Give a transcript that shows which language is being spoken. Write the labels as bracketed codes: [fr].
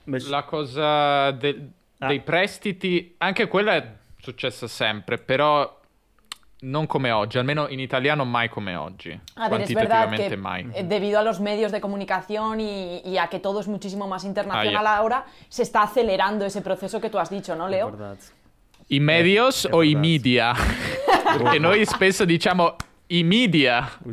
[it] La cosa dei prestiti, anche quella è successa sempre, però non come oggi, almeno in italiano mai come oggi, quantitativamente mai. [es] Debido a los medios de comunicación y a que todo es muchísimo más internacional ahora, se está acelerando ese proceso que tú has dicho, ¿no, Leo? [it] I medios o i media? Porque noi spesso diciamo i media.